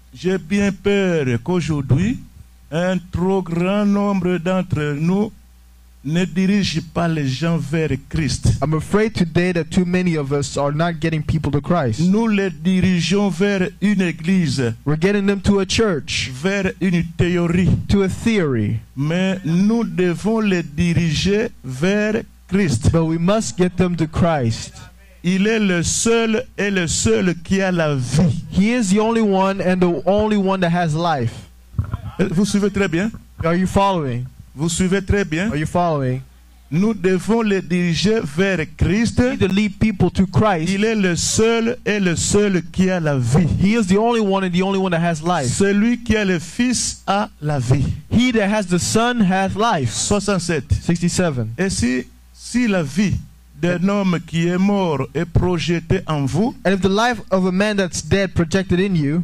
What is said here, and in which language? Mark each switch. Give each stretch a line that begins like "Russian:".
French: J'ai bien peur qu'aujourd'hui un trop grand nombre d'entre nous ne dirige pas les gens vers Christ.
English: I'm afraid today that too many of us are not getting people to Christ.
French: Nous les dirigeons vers une église.
English: We're getting them to a church.
French: Vers une théorie.
English: To a theory.
French: Mais nous devons les diriger vers Christ.
English: But we must get them to Christ.
French: Il est le seul et le seul qui a la vie.
English: He is the only one and the only one that has life.
French: Vous suivez très bien?
English: Are you following?
French: Vous suivez très bien.
English: Are you following?
French: Nous devons les diriger vers Christ.
English: We need to lead people to Christ.
French: Il est le seul et le seul qui a la vie.
English: He is the only one and the only one that has life.
French: Celui qui a le Fils a la vie.
English: He that has the Son has life.
French: 67.
English: 67.
French: Et si la vie d'un homme qui est mort est projeté en vous,
English: and if the life of a man that's dead projected in you,